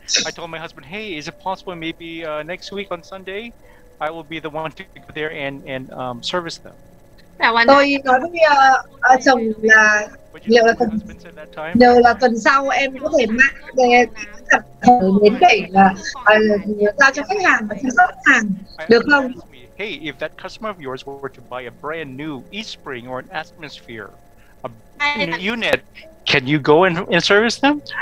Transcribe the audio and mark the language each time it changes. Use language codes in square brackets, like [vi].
[en] I told my husband, hey, is it possible maybe next week on Sunday I will be the one to go there and service them. [vi] Tôi nói với chồng là liệu là tuần sau em có thể mang đến để giao cho khách hàng và chăm sóc khách hàng được không? [en] Hey, if that customer of yours were to buy a brand new e-spring or an atmosphere, a new unit, can you go and service them?